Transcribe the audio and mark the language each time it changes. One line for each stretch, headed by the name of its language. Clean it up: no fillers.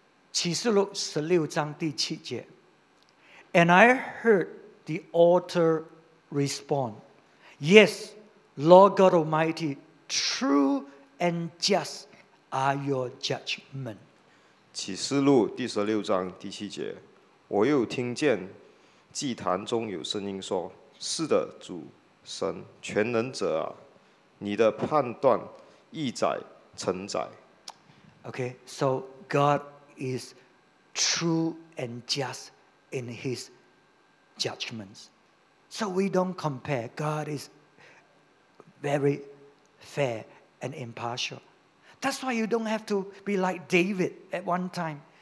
Chinese: 启示录十六章第七节
English: And I heard the altar respond, Yes, Lord God Almighty, true and just are your judgment.
Chinese: 启示录第十六章第七节我又听见祭坛中有声音说是的主神全能者啊你的判断义载成载
English: Okay, so God is true and just in his judgments. So we don't compare. God is very fair and impartial. That's why you don't have to be like David at one time.